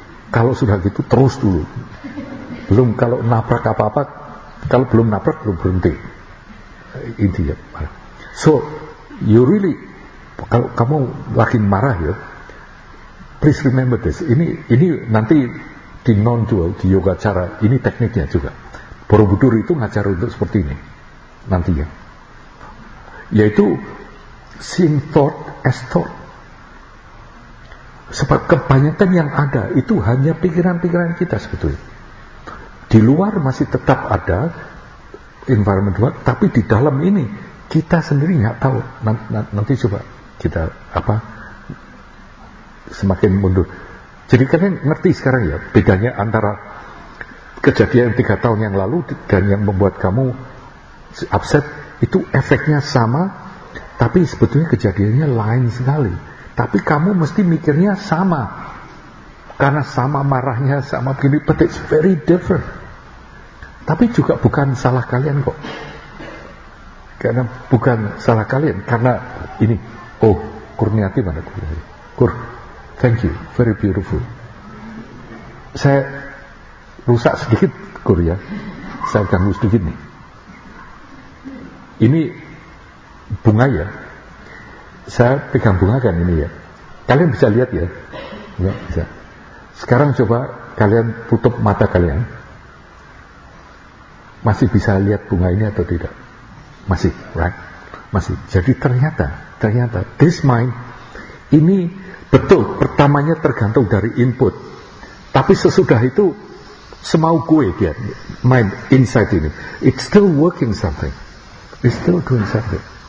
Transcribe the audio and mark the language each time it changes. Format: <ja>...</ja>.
<id>Kalau sudah gitu terus dulu. Belum kalau nabrak apa-apa, kalau belum nabrak belum berhenti. Intinya marah.</id> <en>So you really,</en> <id>kalau kamu lagi marah ya,</id> <en>please remember this.</en> <id>Ini nanti di non-dual, di yoga cara, ini tekniknya juga. Borobudur itu ngajar untuk seperti ini nantinya. Yaitu</id> <en>seeing thought as thought.</en> <id>Sebab kebanyakan yang ada itu hanya pikiran-pikiran kita sebetulnya. Di luar masih tetap ada environment luar, tapi di dalam ini kita sendiri nggak tahu. Nanti coba kita semakin mundur. Jadi kalian ngerti sekarang ya bedanya antara kejadian 3 tahun yang lalu dan yang membuat kamu upset, itu efeknya sama tapi sebetulnya kejadiannya lain sekali. Tapi kamu mesti mikirnya sama, karena sama marahnya, sama begini,</id> <en>but it's very different.</en> <id>Tapi juga bukan salah kalian kok, karena bukan salah kalian, karena ini, oh Kurniati mana Kurniati,</id> <en>Kur, thank you, very beautiful.</en> <id>Saya rusak sedikit, Kur ya. Saya ganggu sedikit nih. Ini bunga ya. Saya pegang bunga kan ini ya. Kalian bisa lihat ya. Ya, bisa. Sekarang coba kalian tutup mata kalian. Masih bisa lihat bunga ini atau tidak? Masih,</id> <en>right?</en> <id>Masih. Jadi ternyata this mind ini betul pertamanya tergantung dari input. Tapi sesudah itu semau gue dia, mind inside ini.</id> <en>It's still working something. It's still doing something.</en>